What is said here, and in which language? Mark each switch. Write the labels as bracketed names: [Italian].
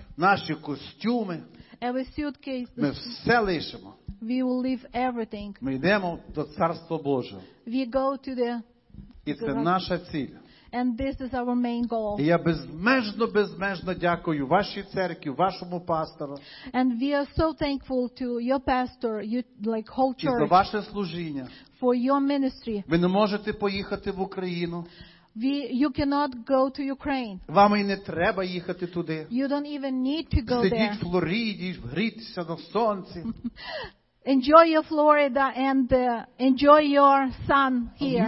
[Ukrainian] наші костюми, [English] every suitcase, [Ukrainian] ми все лишимо. [English] We will leave everything. [Ukrainian] Ми йдемо до Царства Божого. [English] We go to the, [Ukrainian] і це наша ціль. [English] And this is our main goal. [Ukrainian] І я безмежно дякую вашій церкві, вашому пастору. [English] And we are so thankful to your pastor, you like whole church. [Ukrainian] І за ваше служіння. [English] For your ministry. [Ukrainian] Ви не можете поїхати в Україну. [English] You cannot go to Ukraine. [Ukrainian] Вам і не треба їхати туди. [English] You don't even need to go there. [Ukrainian] Сидіть в Флориді, гріться на сонці. [English] Enjoy your Florida and enjoy your sun here.